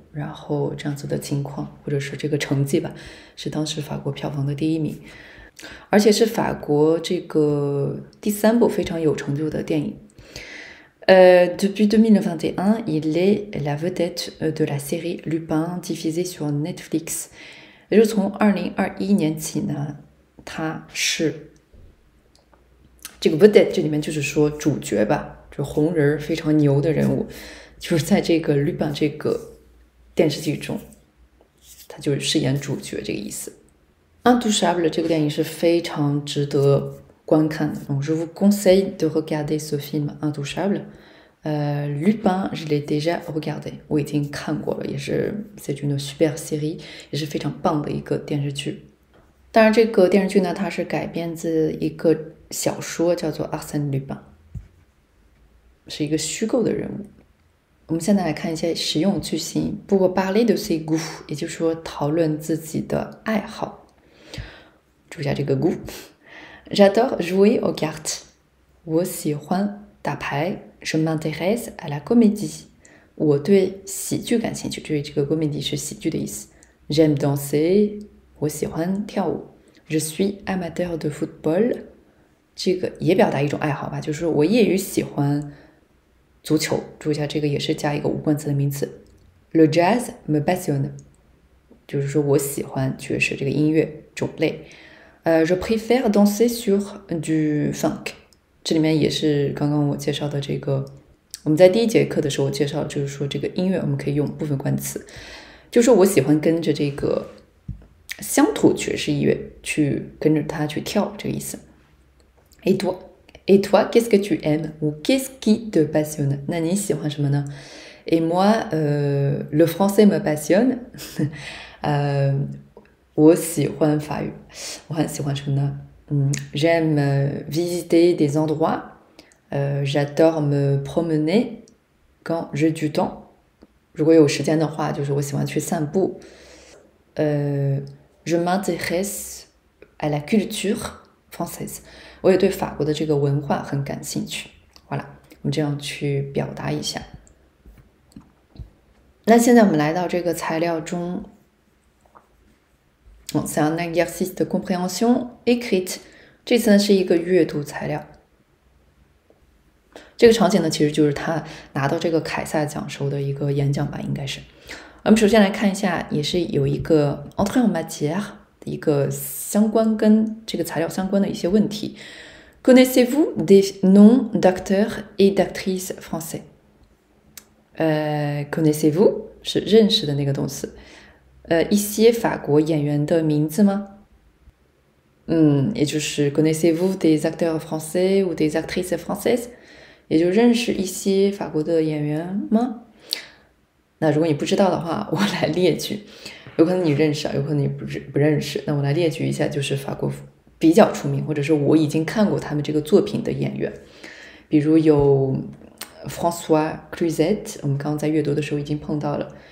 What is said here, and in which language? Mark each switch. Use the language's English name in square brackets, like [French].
[Chinese] 然后这样子的情况，或者是这个成绩吧，是当时法国票房的第一名，而且是法国这个第三部非常有成就的电影。 [French] Depuis 2021, il est la vedette de la série Lupin diffusée sur Netflix。 [Chinese] 也就是从2021年起呢，他是这个 vedette 这里面就是说主角吧，就红人非常牛的人物，就是在这个 Lupin 这个。电视剧中，他就是饰演主角这个意思。 《Intouchable》这个电影是非常值得观看的。 [French] Donc, je vous conseille de regarder ce film Intouchable. Lupin, je l'ai déjà regardé. [Chinese] 我已经看过了，也是 [French] c'est une super série， [Chinese] 也是非常棒的一个电视剧。当然，这个电视剧呢，它是改编自一个小说，叫做《Arsène Lupin》，是一个虚构的人物。我们现在来看一些实用句型。不过， [French] parler de ses goûts， [Chinese] 也就是说讨论自己的爱好。注意一下这个 goût。 [French] J'adore jouer aux cartes。 [Chinese] 我喜欢打牌。 [French] Je m'intéresse à la comédie。 [Chinese] 我对喜剧感兴趣。注意这个 comédie 是喜剧的意思。 [French] J'aime danser。 [Chinese] 我喜欢跳舞。 [French] Je suis amateur de football。 [Chinese] 这个也表达一种爱好吧，就是我业余喜欢。足球，注意一下，这个也是加一个无关词的名词。 [French] Le jazz me passionne， [Chinese] 就是说我喜欢爵士这个音乐种类。 [French] Je préfère danser sur du funk， [Chinese] 这里面也是刚刚我介绍的这个，我们在第一节课的时候介绍，就是说这个音乐我们可以用部分关词，就是我喜欢跟着这个乡土爵士音乐去跟着它去跳这个意思。 [French] Et toi？ Et toi, qu'est-ce que tu aimes ou qu'est-ce qui te passionne? [Chinese] 那你喜欢什么呢？ [French] Et moi, le français me passionne. [Chinese] 我喜欢法语。我很喜欢什么呢？ [French] J'aime visiter des endroits. J'adore me promener quand j'ai du temps. [Chinese] 如果有时间的话，就是我喜欢去散步。 [French] Je m'intéresse à la culture française. [Chinese] 我也对法国的这个文化很感兴趣。Voilà，我们这样去表达一下。那现在我们来到这个材料中。 [French] Bon, c'est un exercice de compréhension écrite. [Chinese] 这次呢是一个阅读材料。这个场景呢，其实就是他拿到这个凯撒奖时候的一个演讲吧，应该是。我们首先来看一下，也是有一个 entrée en matière 的一个相关跟这个材料相关的一些问题。 [French] Connaissez-vous des noms d'acteurs et d'actrices français？ [Chinese] Connaissez-vous 是认识的那个动词。一些法国演员的名字吗？ [French] 也就是 Connaissez-vous des acteurs français ou des actrices françaises？ [Chinese] 也就认识一些法国的演员吗？那如果你不知道的话，我来列举，有可能你认识啊，有可能你不认识。那我来列举一下，就是法国比较出名，或者是我已经看过他们这个作品的演员，比如有 François Cluzet，我们刚刚在阅读的时候已经碰到了。